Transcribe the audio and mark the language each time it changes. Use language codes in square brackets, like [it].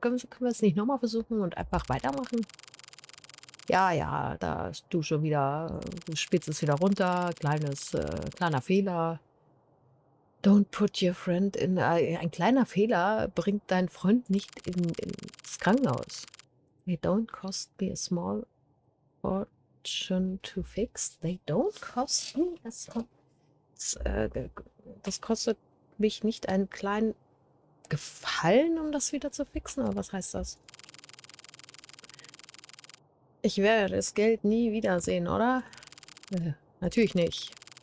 [de] Können wir es nicht nochmal versuchen und einfach weitermachen? Ja, ja, da du schon wieder, du spielst es wieder runter. [en] Kleiner Fehler. Don't put your friend in... [de] ein kleiner Fehler bringt deinen Freund nicht ins Krankenhaus. [en] They don't cost me a small fortune to fix. They don't cost me a small... [de] Das kostet mich nicht einen kleinen Gefallen, um das wieder zu fixen? Aber was heißt das? Ich werde das Geld nie wiedersehen, oder? Natürlich nicht.